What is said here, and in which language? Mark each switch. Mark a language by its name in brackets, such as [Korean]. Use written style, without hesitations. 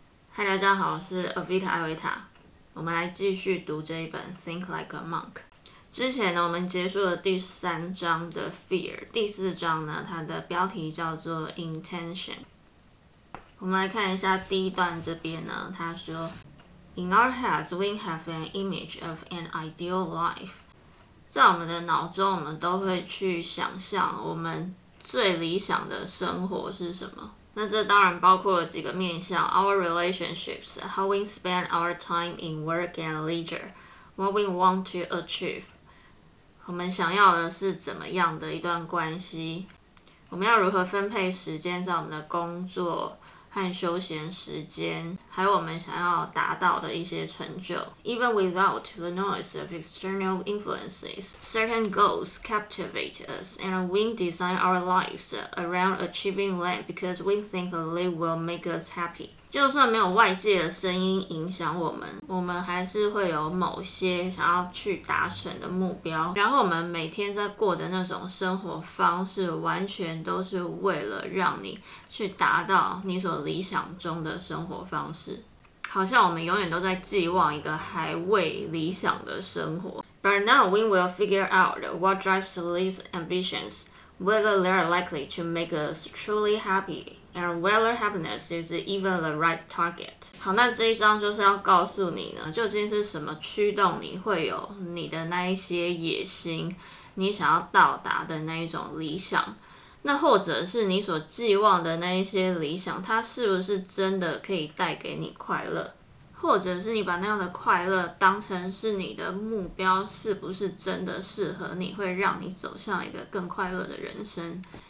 [Chinese] 嗨，大家好，是 Avita Avita， 我们来继续读这一本《Think Like a Monk》。之前呢，我们结束了第三章的 Fear， 第四章呢，它的标题叫做 Intention。我们来看一下第一段这边呢，他说 [English] ：“In our heads, we have an image of an ideal life。” [Chinese] 在我们的脑中，我们都会去想象我们最理想的生活是什么。那这当然包括了几个面向： [English] our relationships, how we spend our time in work and leisure, what we want to achieve。 [Chinese] 我们想要的是怎么样的一段关系？我们要如何分配时间在我们的工作和休闲时间，还有我们想要达到的一些成就。 [English] Even without the noise of external influences, certain goals captivate us, and we design our lives around achieving them because we think they will make us happy. [Chinese] 就算没有外界的声音影响我们，我们还是会有某些想要去达成的目标。然后我们每天在过的那种生活方式，完全都是为了让你去达到你所理想中的生活方式。好像我们永远都在寄望一个还未理想的生活。 [English] But now we will figure out what drives these ambitions, whether they are likely to make us truly happy. And whether happiness is even the right target。 [Chinese] 好，那这一章就是要告诉你呢，究竟是什么驱动你会有你的那一些野心，你想要到达的那一种理想，那或者是你所寄望的那一些理想，它是不是真的可以带给你快乐，或者是你把那样的快乐当成是你的目标，是不是真的适合你，会让你走向一个更快乐的人生？